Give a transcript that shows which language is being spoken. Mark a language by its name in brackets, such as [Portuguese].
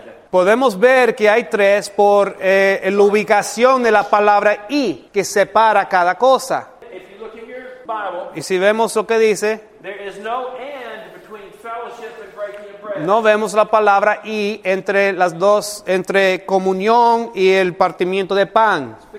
[Spanish] Podemos ver que hay tres por la ubicación de la palabra y, que separa cada cosa. [English] If you look in your Bible, [Spanish] y si vemos lo que dice, [English] there is no and between fellowship and breaking bread. [Spanish] No vemos la palabra y entre las dos, entre comunión y el partimiento de pan.